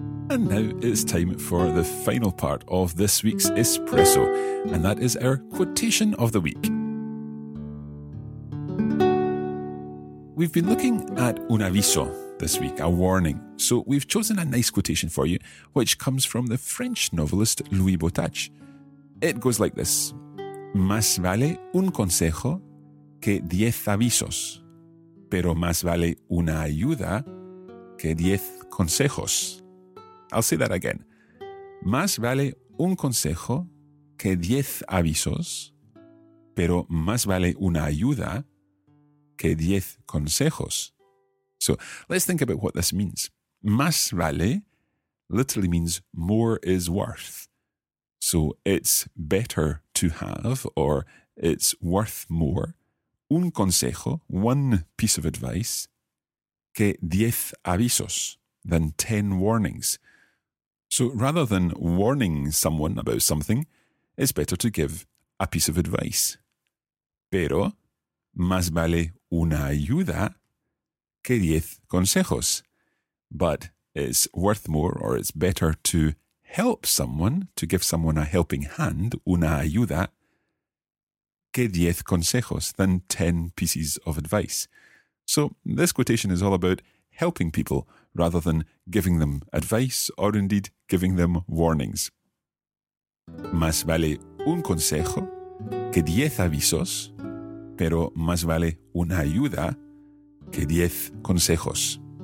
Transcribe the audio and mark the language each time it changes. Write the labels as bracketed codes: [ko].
[en] And now it's time for the final part of this week's espresso, and that is our quotation of the week. We've been looking at un aviso this week, a warning, so we've chosen a nice quotation for you, which comes from the French novelist Louis Botach. It goes like this: [es] Más vale un consejo que 10 avisos, pero más vale una ayuda que 10 consejos. [en] I'll say that again. [es] Más vale un consejo que 10 avisos, pero más vale una ayuda que 10 consejos. [en] So let's think about what this means. Más vale literally means more is worth. So it's better to have, or it's worth more. Un consejo, one piece of advice, que 10 avisos, than 10 warnings. So rather than warning someone about something, it's better to give a piece of advice. [es] Pero más vale una ayuda que 10 consejos. [en] But it's worth more, or it's better to help someone, to give someone a helping hand, una ayuda, que 10 consejos, than 10 pieces of advice. So this quotation is all about helping people rather than giving them advice or indeed giving them warnings. [es] Más vale un consejo que 10 avisos, pero más vale una ayuda que 10 consejos.